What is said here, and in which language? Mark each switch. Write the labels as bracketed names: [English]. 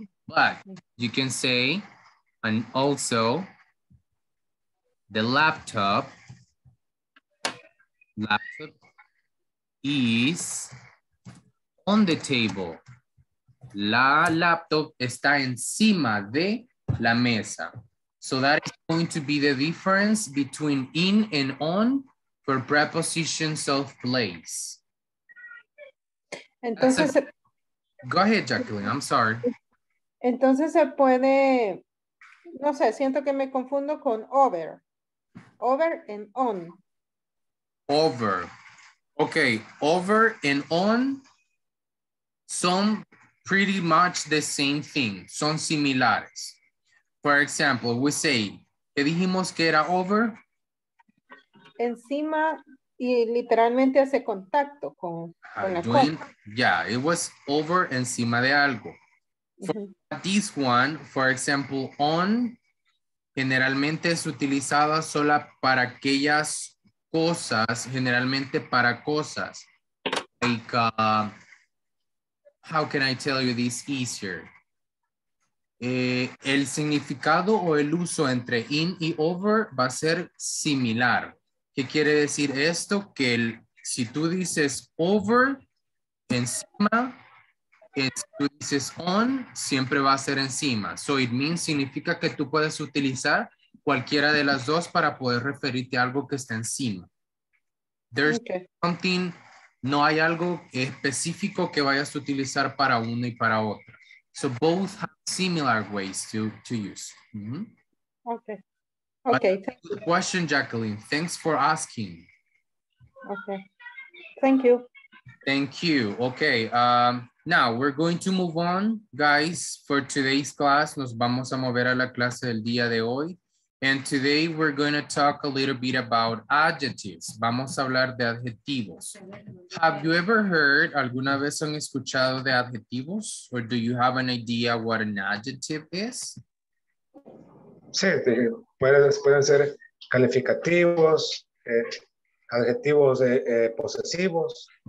[English] But you can say, and also the laptop is on the table. [Spanish] La laptop está encima de la mesa. [English] So that is going to be the difference between in and on for prepositions of place. [Spanish] Entonces, [English] go ahead, Jacqueline. I'm sorry. [Spanish] Entonces se puede, no sé, siento que me confundo con over. [English] Over and on. Over. Okay, over and on [Spanish] son [English] pretty much the same thing. [Spanish] Son similares. [English] For example, we say, [Spanish] ¿qué dijimos que era [English] over? [Spanish] Encima y literalmente hace contacto con la doing, cosa. [English] Yeah, it was over [Spanish] encima de algo. [English] For this one, for example, on [Spanish] generalmente es utilizada sola para aquellas cosas, generalmente para cosas. [English] Like, how can I tell you this easier? [Spanish] El significado o el uso entre in y over va a ser similar. ¿Qué quiere decir esto? Que el, si tú dices over, encima, si tú dices on, siempre va a ser encima. [English] So it means, [Spanish] significa que tú puedes utilizar cualquiera de las dos para poder referirte a algo que está encima. [English] There's something, [Spanish] no hay algo específico que vayas a utilizar para una y para otra. [English] So both have similar ways to use. Mm-hmm. Okay, thank you. Good question, Jacqueline. Thanks for asking. Okay, thank you. Thank you. Okay, now we're going to move on, guys, for today's class. [Spanish] Nos vamos a mover a la clase del día de hoy. [English] And today we're going to talk a little bit about adjectives. [Spanish] Vamos a hablar de adjetivos. [English] Have you ever heard, [Spanish] alguna vez han escuchado de adjetivos? [English] Or do you have an idea what an adjective is? [Spanish] Sí, pueden ser calificativos, adjetivos posesivos.